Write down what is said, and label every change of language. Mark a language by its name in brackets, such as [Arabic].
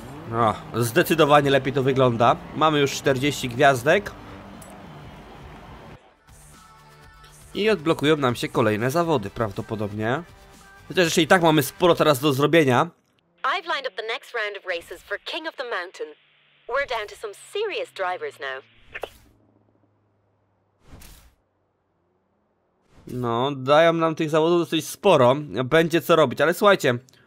[Polish] No, zdecydowanie lepiej to wygląda. Mamy już 40 gwiazdek. I odblokują nam się kolejne zawody, prawdopodobnie. Chociaż jeszcze i tak mamy sporo teraz do zrobienia. [English] I've lined up the next round of races for King of the Mountain. We're down to some serious drivers now. [Polish] No, dają nam tych zawodów dosyć sporo. Będzie co robić, ale słuchajcie.